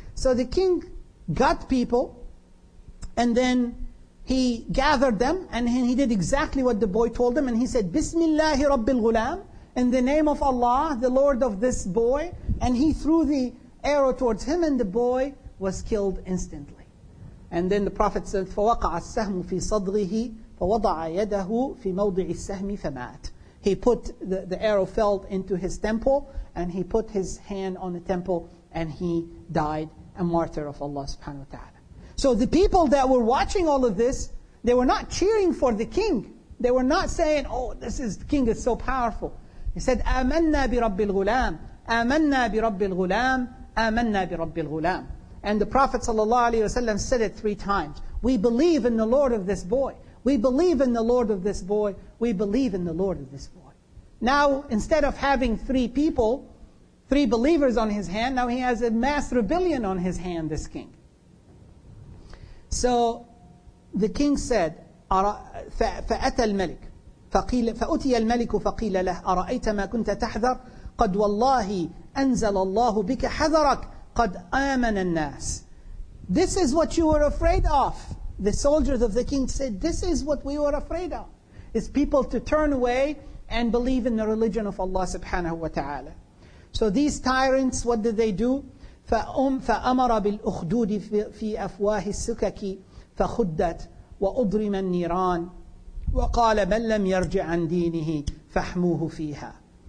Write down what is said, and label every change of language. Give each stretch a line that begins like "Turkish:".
English: So the king got people, and then he gathered them, and he did exactly what the boy told him. And he said,
Arabic: Bismillahi Rabbil Ghulam,
English: in the name of Allah, the Lord of this boy. And he threw the arrow towards him, and the boy was killed instantly. And then the Prophet said,
Arabic: فَوَقَعَ السَّهْمُ فِي صَدْرِهِ فَوَضَعَ يَدَهُ فِي مَوْضِعِ السَّهْمِ فَمَاتَ.
English: He put, the arrow fell into his temple, and he put his hand on the temple, and he died a martyr of Allah subhanahu wa ta'ala. So the people that were watching all of this, they were not cheering for the king. They were not saying, oh, this is, the king is so powerful. He said,
Arabic: آمَنَّا بِرَبِّ الْغُلَامِ آمَنَّا بِرَبِّ الْغُلَامِ آمَنَّا بِرَبِّ الْغُلَامِ.
English: And the Prophet ﷺ said it three times. We believe in the Lord of this boy. We believe in the Lord of this boy. We believe in the Lord of this boy. Now, instead of having three people, three believers on his hand, now he has a mass rebellion on his hand, this king. So, the king said,
Arabic: فأتى الملك فقيل فأتي الملك فقيل له أرأيت ما كنت تحذر قد والله أنزل الله بك حذرك قد آمن الناس.
English: This is what you were afraid of. The soldiers of the king said, this is what we were afraid of, is people to turn away and believe in the religion of Allah subhanahu wa ta'ala. So these tyrants, what did they do?
Arabic: فَأَمَرَ بِالْأُخْدُودِ فِي أَفْوَاهِ السُّكَكِ فَخُدَّتْ وَأُضْرِمَ النِّيرَانِ وَقَالَ مَنْ لَمْ يَرْجِعْ عَنْ دِينِهِ فَحْمُوهُ فِيهَا.